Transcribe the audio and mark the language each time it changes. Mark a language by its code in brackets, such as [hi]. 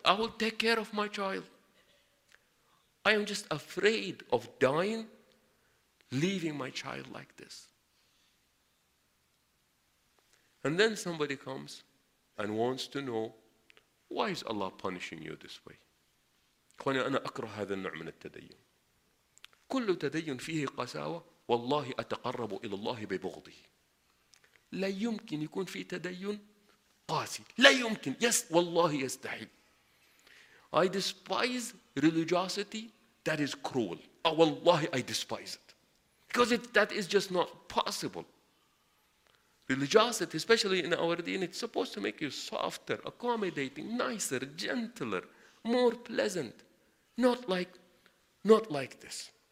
[en] I will take care of my child. I am just afraid of dying, leaving my child like this. And then somebody comes and wants to know, why is Allah punishing you this way? [ar] أخواني أنا أكره هذا النوع من التدين. كل تدين فيه قساوة والله أتقرب إلى الله ببغضه. لا يمكن يكون في تدين قاسي. لا يمكن. يس والله يستحيل. [en] I despise religiosity that is cruel. Oh, wallahi, I despise it. Because that is just not possible. Religiosity, especially in our deen, it's supposed to make you softer, accommodating, nicer, gentler, more pleasant. Not like this.